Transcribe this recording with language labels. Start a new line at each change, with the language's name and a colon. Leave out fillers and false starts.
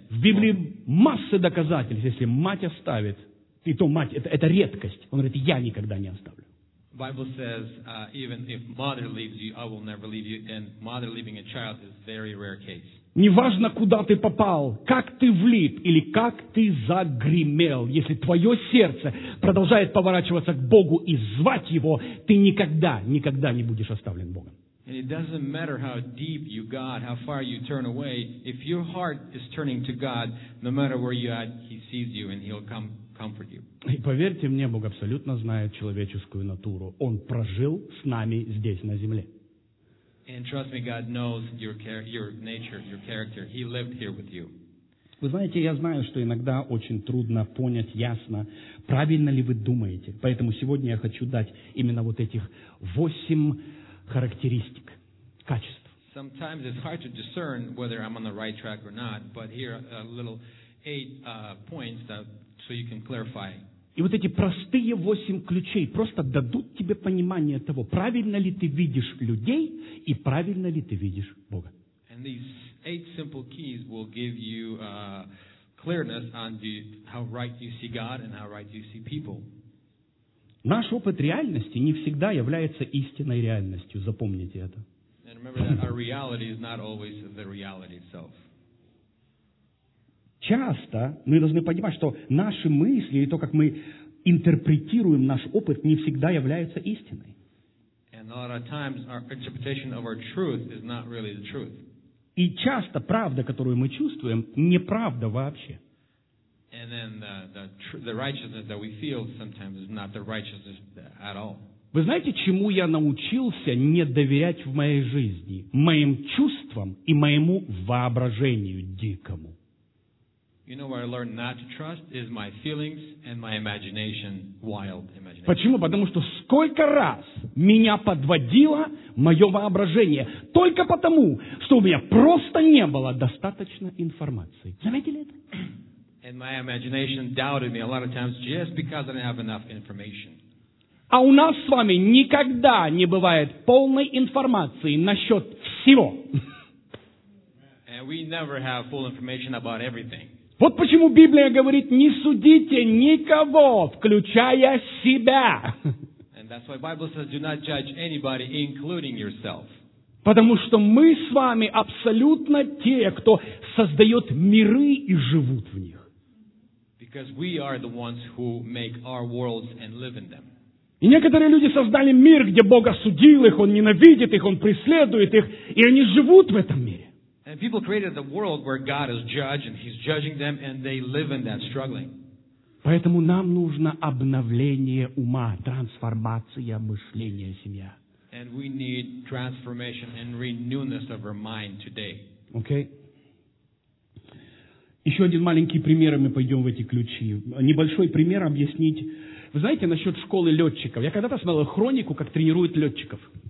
Russian: В Библии масса доказательств, если мать оставит, и то мать, это редкость. Он говорит, я никогда не оставлю.
English: Bible says even if mother leaves you, I will never leave you. And mother leaving a child is a very rare case.
Russian: Неважно, куда ты попал, как ты влип или как ты загремел, если твое сердце продолжает поворачиваться к Богу и звать Его, ты никогда, никогда не будешь оставлен Богом.
English: And it doesn't matter how deep you got, how far you turn away. If your heart is turning to God, no matter where you are, He sees you and He'll come.
Russian: И поверьте мне, Бог абсолютно знает человеческую натуру. Он прожил с нами здесь, на земле.
English: And trust me, God knows your nature, your character. He lived here with you.
Russian: Вы знаете, я знаю, что иногда очень трудно понять ясно, правильно ли вы думаете. Поэтому сегодня я хочу дать именно вот этих 8 характеристик, качеств.
English: Sometimes it's hard to discern whether I'm on the right track or not, but here a little 8 points that so you can clarify.
Russian: И вот эти простые 8 ключей просто дадут тебе понимание того, правильно ли ты видишь людей и правильно ли ты видишь Бога.
English: And these 8 simple keys will give you clearness on how right you see God and how right you see people.
Russian: Наш опыт реальности не всегда является истинной реальностью. Запомните это.
English: And remember that our reality is not always the reality itself.
Russian: Часто мы должны понимать, что наши мысли и то, как мы интерпретируем наш опыт, не всегда является истиной.
English: And a lot of times our interpretation of our truth is not really the truth.
Russian: И часто правда, которую мы чувствуем, неправда вообще.
English: And then the righteousness that we feel sometimes is not the righteousness at all.
Russian: Вы знаете, чему я научился не доверять в моей жизни? Моим чувствам и моему воображению дикому.
English: You know where I learned not to trust is my feelings and my imagination, wild imagination.
Russian: Почему? Потому что сколько раз меня подводило мое воображение только потому, что у меня просто не было достаточно информации. Заметили это?
English: And my imagination doubted me a lot of times just because I didn't have enough information.
Russian: А у нас с вами никогда не бывает полной информации насчет всего.
English: And we never have full information about everything.
Russian: Вот почему Библия говорит, не судите никого, включая себя.
English: And that's why Bible says, do not judge anybody, including yourself.
Russian: Потому что мы с вами абсолютно те, кто создает миры и живут в них.
English: Because we are the ones who make our worlds and live in them.
Russian: И некоторые люди создали мир, где Бог осудил их, Он ненавидит их, Он преследует их, и они живут в этом мире.
English: And people created the world where God is judge and He's judging them and they live in that struggling.
Russian: Поэтому нам нужно обновление ума, трансформация мышления, семья.
English: And we need transformation and renewness of our mind today. Okay.
Russian: Еще один маленький пример, и мы пойдем в эти ключи. Небольшой пример объяснить. Вы знаете, насчет школы летчиков. Я когда-то смотрел хронику, как тренируют летчиков.